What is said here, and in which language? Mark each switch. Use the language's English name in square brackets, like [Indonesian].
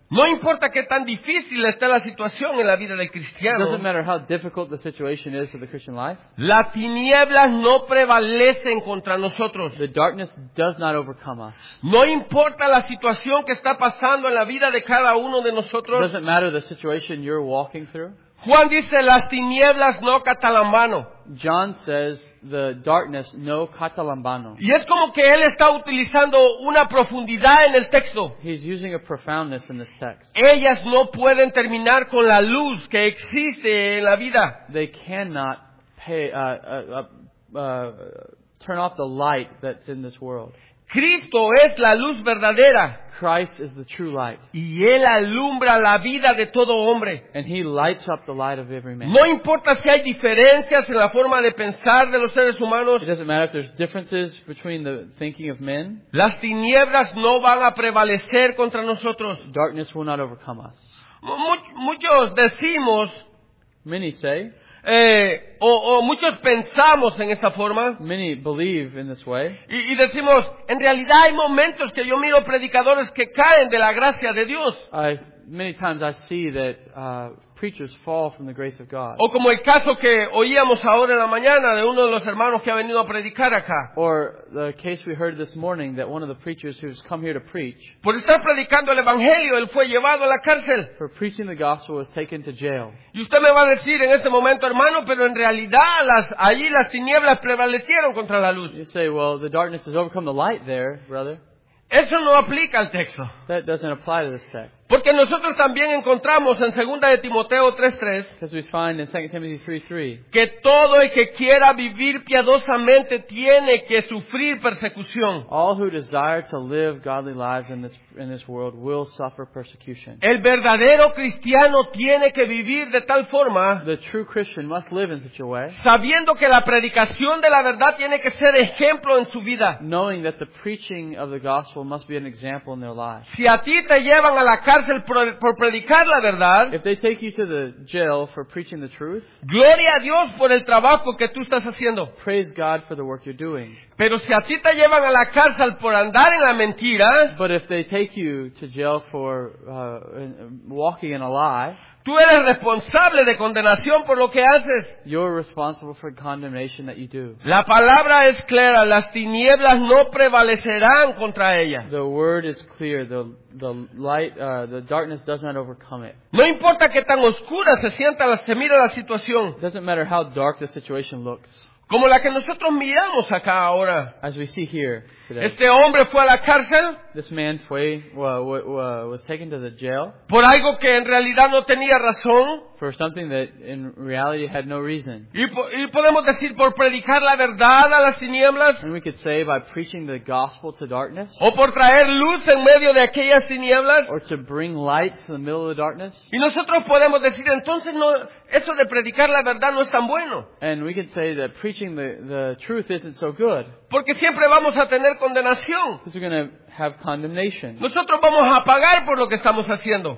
[Spanish] No importa qué tan difícil esté la situación en la vida del cristiano. [English] It doesn't matter how difficult the situation is of the Christian life. [Spanish] Las tinieblas no prevalecen contra nosotros. [English] The darkness does not overcome us. [Spanish] No importa la situación que está pasando en la vida de cada uno de nosotros. [English] It doesn't matter the situation you're walking through. [Spanish] Juan dice, las tinieblas no catalambano. [English] John says, the darkness no catalambano. [Spanish] Y es como que él está utilizando una profundidad en el texto. [English] He's using a profoundness in this text. [Spanish] Ellas no pueden terminar con la luz que existe en la vida. [English] They cannot turn off the light that's in this world. [Spanish] Cristo es la luz verdadera. [English] Christ is the true light. [Spanish] Y Él alumbra la vida de todo hombre. [English] And He lights up the light of every man. [Spanish] No importa si hay diferencias en la forma de pensar de los seres humanos. [English] It doesn't matter if there's differences between the thinking of men. [Spanish] Las tinieblas no van a prevalecer contra nosotros. [English] Darkness will not overcome us. [Spanish] Muchos decimos, [English] many say, [Spanish] o muchos pensamos en esta forma. [English] Many believe in this way. [Spanish] Y decimos, en realidad hay momentos que yo miro predicadores que caen de la gracia de Dios. [English] Many times I see that preachers fall from the grace of God. [Spanish] O como el caso que oíamos ahora en la mañana de uno de los hermanos que ha venido a predicar acá. [English] Or the case we heard this morning that one of the preachers who's come here to preach. [Spanish] Por estar predicando el evangelio, él fue llevado a la cárcel. [English] For preaching the gospel, was taken to jail. [Spanish] Y usted me va a decir en este momento, hermano, pero en realidad allí las tinieblas prevalecieron contra la luz. [English] You say, well, the darkness has overcome the light there, brother. [Spanish] Eso no aplica al texto. [English] That doesn't apply to this text. [Spanish] Porque nosotros también encontramos en 2 Timoteo 3:3 que todo el que quiera vivir piadosamente tiene que sufrir persecución. [English] All who desire to live godly lives in this world will suffer persecution. [Spanish] El verdadero cristiano tiene que vivir de tal forma, [English] the true Christian must live in such a way, [Spanish] sabiendo que la predicación de la verdad tiene que ser ejemplo en su vida. [English] Knowing that the preaching of the gospel must be an example in their lives. [Spanish] Si a ti te llevan a la cárcel por predicar la verdad, [English] if they take you to the jail for preaching the truth, [Spanish] gloria a Dios por el trabajo que tú estás haciendo. [English] Praise God for the work you're doing. [Spanish] Pero si a ti te llevan a la cárcel por andar en la mentira, [English] but if they take you to jail for walking in a lie, [Spanish] tú eres responsable de condenación por lo que haces. [English] You're responsible for condemnation that you do. [Spanish] La palabra es clara, las tinieblas no prevalecerán contra ella. [English] The word is clear, the light, the darkness does not overcome it. [Spanish] No importa que tan oscura se sienta, se mira la situación. [English] It doesn't matter how dark the situation looks. [Spanish] Como la que nosotros miramos acá ahora. [English] As we see here today. [Spanish] Este hombre fue a la cárcel. [English] This man was taken to the jail. [Spanish] Por algo que en realidad no tenía razón. [English] For something that in reality had no reason. [Spanish] Y podemos decir por predicar la verdad a las tinieblas. [English] And we could say by preaching the gospel to darkness. [Spanish] O por traer luz en medio de aquellas tinieblas. [English] Or to bring light to the middle of the darkness. [Spanish] Y nosotros podemos decir entonces no, eso de predicar la verdad no es tan bueno. [English] And we could say that preaching the truth isn't so good. [Spanish] Porque siempre vamos a tener condenación. [English] Because we're going to have condemnation. [Spanish] Nosotros vamos a pagar por lo que estamos haciendo.